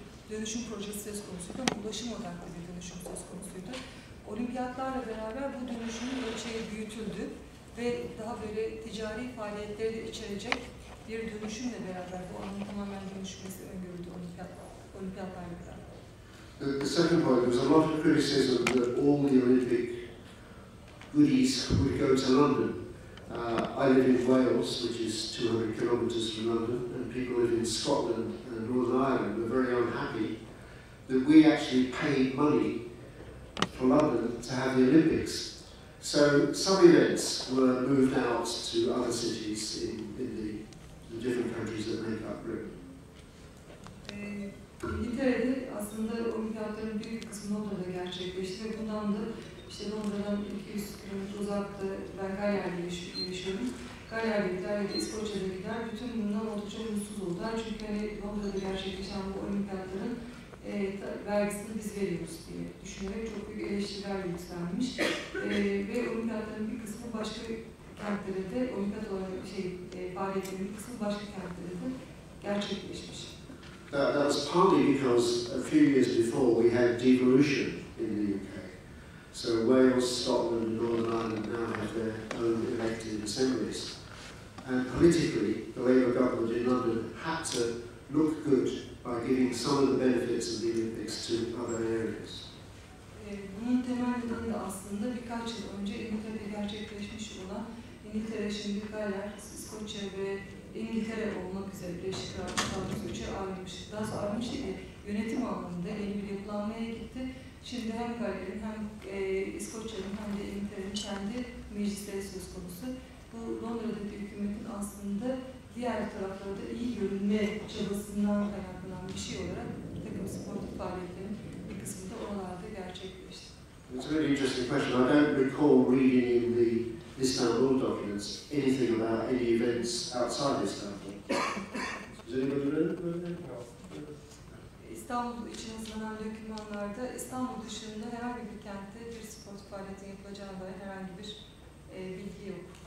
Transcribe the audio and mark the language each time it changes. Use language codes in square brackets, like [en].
[tr] Dönüşüm projesi söz konusuydu ama ulaşım odaklı bir dönüşüm söz konusuydu. Olimpiyatlarla beraber bu dönüşümün ölçeği büyütüldü ve daha böyle ticari faaliyetleri de içerecek bir dönüşümle beraber bu alanın tamamen dönüşmesi öngörüldü olimpiyatlarla beraber. [en] The second point was a lot of criticism that all the Olympic goodies would go to London. I live in Wales, which is 200 kilometres from London, and people live in Scotland and Northern Ireland were very unhappy that we actually paid money for London to have the Olympics. So some events were moved out to other cities in the different countries that make up Britain. [tr] İngiltere'de aslında olimpiyatların büyük kısmı Londra'da gerçekleşti ve bundan da işte Londra'dan 200 km uzakta ben Galler'de yaşıyorum. Galler'de gider ya da İskoçya'da gider. Bütün bundan oldukça mutsuz oldular. Çünkü hani Londra'da gerçekleşen bu olimpiyatların vergisini biz veriyoruz diye düşünerek çok büyük eleştiriler yükselmiş. Ve olimpiyatların bir kısmı başka kentlere de, olimpiyat olan faaliyetlerin bir kısmı başka kentlere de gerçekleşmiş. [en] That was partly because a few years before we had devolution in the UK. So Wales, Scotland and Northern Ireland now have their own elected assemblies. And politically, the Labour government in London had to look good by giving some of the benefits of the Olympics to other areas. [tr] Bunun temelinden de aslında birkaç yıl önce İngiltere'de gerçekleşmiş olan İngiltere, şimdi Galler, İskoçya ve İngiltere olmak üzere Birleşik Krallık'ın üçe ayrılmış. Daha sonra ayrılmış gibi yönetim anlamında yeni bir yapılanmaya gitti. Şimdi hem Galler'in hem İskoçya'nın hem de İngiltere'nin kendi meclisleri söz konusu. Bu Londra'daki hükümetin aslında diğer taraflarda iyi görünme çabasından kaynaklanan bir şey olarak bir takım sportif faaliyetlerin bir kısmı da oralarda gerçekleşti. [en] It's a very interesting question. I don't recall reading in the Istanbul documents anything about any events outside Istanbul. Is anybody ready? [tr] İstanbul için hazırlanan dokümanlarda İstanbul dışında herhangi bir kentte bir spor faaliyeti yapılacağına dair herhangi bir bilgi yok.